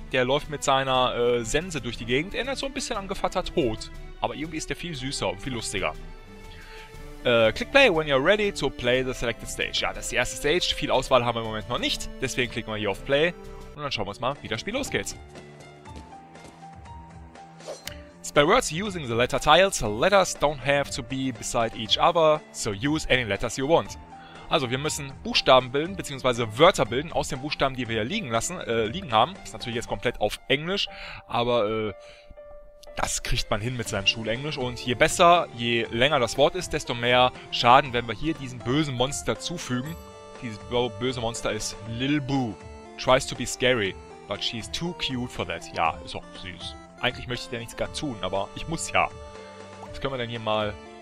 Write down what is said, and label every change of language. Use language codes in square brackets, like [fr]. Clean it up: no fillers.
[de] Der läuft mit seiner Sense durch die Gegend. Erinnert so ein bisschen an Gevatter Tod. Aber irgendwie ist der viel süßer und viel lustiger. [en] Click play when you're ready to play the selected stage. [de] Ja, das ist die erste Stage. Viel Auswahl haben wir im Moment noch nicht. Deswegen klicken wir hier auf Play. Und dann schauen wir uns mal, wie das Spiel losgeht. [en] Spell words using the letter tiles. Letters don't have to be beside each other, so use any letters you want. [de] Also, wir müssen Buchstaben bilden, beziehungsweise Wörter bilden aus den Buchstaben, die wir hier liegen haben. Das ist natürlich jetzt komplett auf Englisch, aber das kriegt man hin mit seinem Schulenglisch. Und je besser, je länger das Wort ist, desto mehr Schaden werden wir hier diesem bösen Monster zufügen. Dieses böse Monster ist Lil Boo. [en] Tries to be scary, but she's too cute for that. [de] Ja, ist auch süß. Eigentlich möchte ich ja nichts gar tun, aber ich muss ja. Was können wir denn hier mal...